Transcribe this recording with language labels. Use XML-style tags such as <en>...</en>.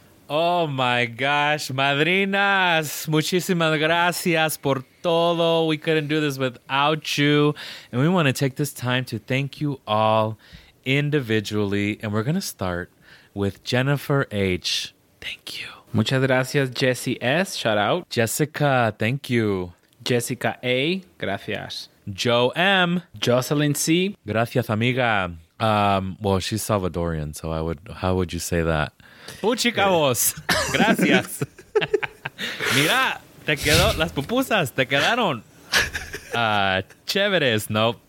<en>Oh my gosh,</en> <es>madrinas, muchísimas gracias por todo.</es> <en>We couldn't do this without you. And we want to take this time to thank you all individually. And we're going to start with Jennifer H. Thank you.</en> <es>Muchas gracias, Jesse S.</es> <en>Shout out. Jessica, thank you.</en> <es>Jessica A. Gracias. Joe M. Jocelyn C. Gracias, amiga.</es> <en>Well, she's Salvadorian, so how would you say that?</en> <es>Puchicabos. Gracias. Mira, te quedó las pupusas, te quedaron. Chéveres. Nope.</es>